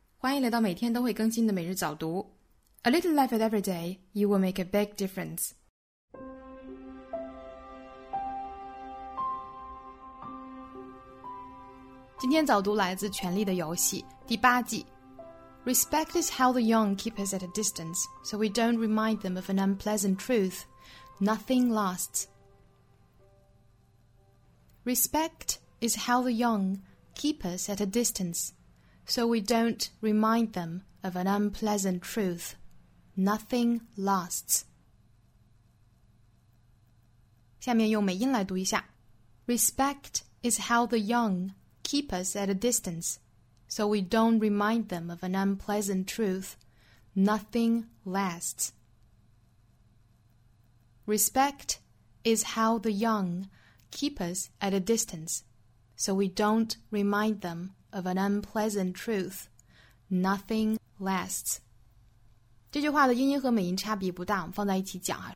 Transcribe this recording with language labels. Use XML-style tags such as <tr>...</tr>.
<zh>欢迎来到每天都会更新的每日早读。</zh> <en>A little effort every day, you will make a big difference.</en> <zh>今天早读来自《权力的游戏》第八季。</zh> <en>Respect is how the young keep us at a distance, so we don't remind them of an unpleasant truth. Nothing lasts. Respect is how the youngKeep us at a distance, so we don't remind them of an unpleasant truth. Nothing lasts.</en> <zh>下面用美音来读一下。</zh> <en>Respect is how the young keep us at a distance, so we don't remind them of an unpleasant truth. Nothing lasts. Respect is how the young keep us at a distance. So we don't remind them of an unpleasant truth. Nothing lasts.</en> <zh>这句话的音和美音差别不大，我们放在一起讲。</zh>